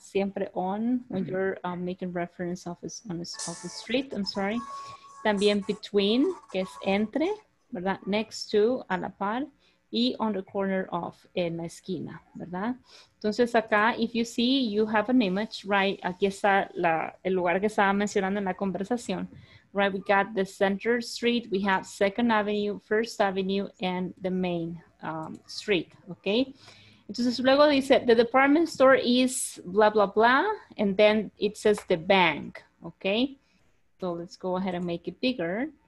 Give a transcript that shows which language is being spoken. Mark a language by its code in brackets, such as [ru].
[es] Siempre [en] on when you're making reference of the street. I'm sorry. [es] También between, que es entre, ¿verdad? [en] Next to, [es] a la par. Y [en] on the corner of, [es] en la esquina, ¿verdad? Entonces acá, [en] if you see, you have an image, right? [es] Aquí está el lugar que estaba mencionando en la conversación, right? [en] We got the center street, we have 2nd Avenue, 1st Avenue, and the main street, okay? [es] Entonces luego dice, [en] the department store is blah, blah, blah. And then it says the bank, okay? So let's go ahead and make it bigger.